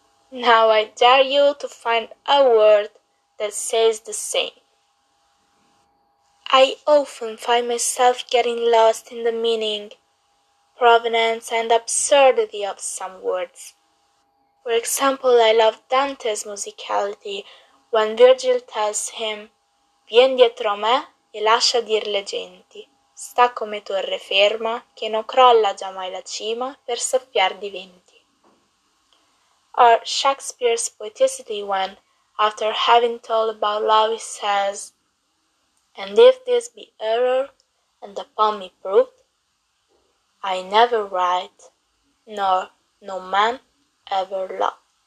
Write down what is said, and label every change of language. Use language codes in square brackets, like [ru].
[en] Now I dare you to find a word that says the same. I often find myself getting lost in the meaning, provenance, and absurdity of some words. For example, I love Dante's musicality when Virgil tells him, [it] Vien dietro me e lascia dir le genti, sta come torre ferma che non crolla già mai la cima per soffiar di venti. [en] Or Shakespeare's poeticity when, after having told about love, he says, And if this be error, and upon me proved, I never write, nor no man ever love.